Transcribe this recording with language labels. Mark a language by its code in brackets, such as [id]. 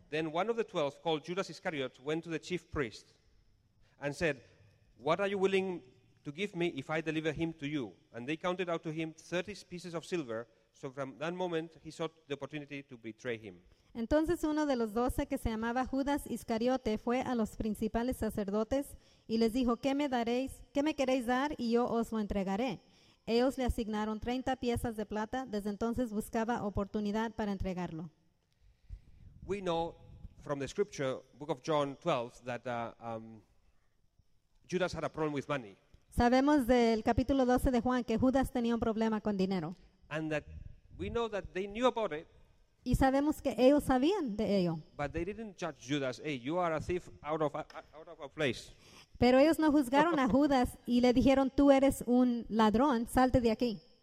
[en] Then one of the 12, called Judas Iscariot, went to the chief priest and said, what are you willing to give me if I deliver him to you? And they counted out to him 30 pieces of silver. So from that moment, he sought the opportunity to betray him. [es] Entonces uno de los 12, que se llamaba Judas Iscariote, fue a los principales sacerdotes y les dijo, ¿Qué me queréis dar? Y yo os lo entregaré. Ellos le asignaron 30 piezas de plata. Desde entonces buscaba oportunidad para entregarlo. [en] We know from the scripture, book of John 12, that Judas had a problem with money. [es] Sabemos del capítulo 12 de Juan que Judas tenía un problema con dinero. [en] And that we know that they knew about it. [es] Y sabemos que ellos sabían de ello. [en] But they didn't judge Judas. Hey, you are a thief out of a place. [es] Pero ellos no juzgaron a Judas y le dijeron, tú eres un ladrón, salte de aquí.